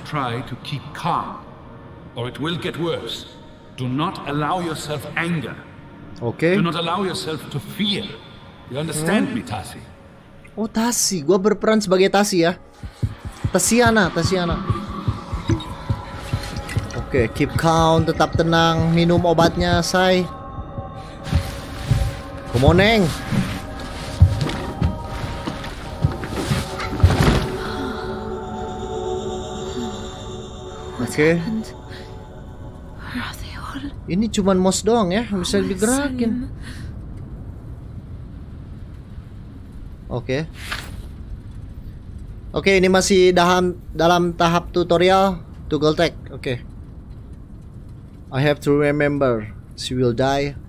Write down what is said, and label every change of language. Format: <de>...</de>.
<en>Try to keep calm or it will get worse. Do not allow yourself anger. Okay. Do not allow yourself to fear. You understand me, Tasi? Oh, Tasi.</en> <id>Gua berperan sebagai Tasi ya. Tasiana. Oke,</id> <en>okay, keep calm,</en> <id>tetap tenang, minum obatnya, Sai.</id> <en>Come on, Neng.</en> <id>Oke.</id> <en>Okay.</en> <id>Ini cuman mos doang ya, bisa digerakin. Oke. Okay. Oke, okay, ini masih dalam tahap tutorial to Goltec. Oke. Okay.</id> <en>I have to remember she will die.</en>